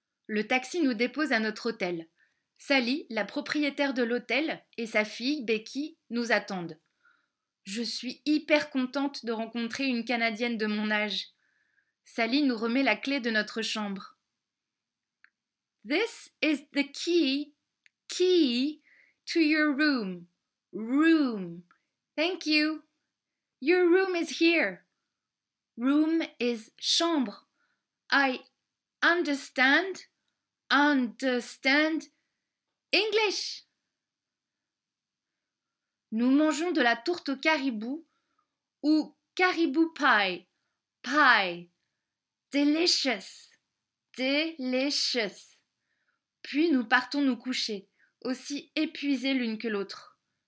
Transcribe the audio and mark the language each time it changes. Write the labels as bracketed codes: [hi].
[fr] Le taxi nous dépose à notre hôtel. Sally, la propriétaire de l'hôtel, et sa fille, Becky, nous attendent. Je suis hyper contente de rencontrer une Canadienne de mon âge. Sally nous remet la clé de notre chambre. [en] This is the key to your room. Room. Thank you. Your room is here. Room is chambre. I understand. Understand, English. [fr] Nous mangeons de la tourte au caribou ou caribou pie. [en] Pie. Delicious. Delicious. [fr] Puis nous partons nous coucher, aussi épuisées l'une que l'autre.